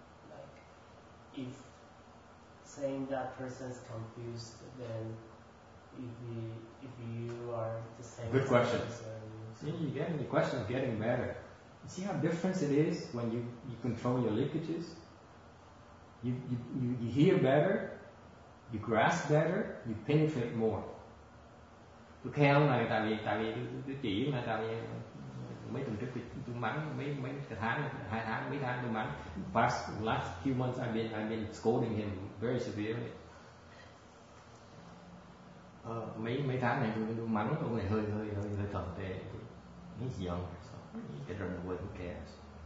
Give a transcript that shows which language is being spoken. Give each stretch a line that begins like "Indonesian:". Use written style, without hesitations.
English: Like if saying that person is confused, then if you are the same. Good question. See, you're getting, the question is getting better. You see how different it is when you control your linkages? You hear better, you grasp better, you penetrate more.
Vietnamese: Tôi khéo này tại vì tôi chỉ là tại vì mấy tuần trước tôi mắng mấy tháng tôi mắng.
English: Last few months I've been scolding him very severely.
Vietnamese: Mấy tháng này tôi mắng ông này hơi thầm tệ.
English: He's young, so he can run away, who cares?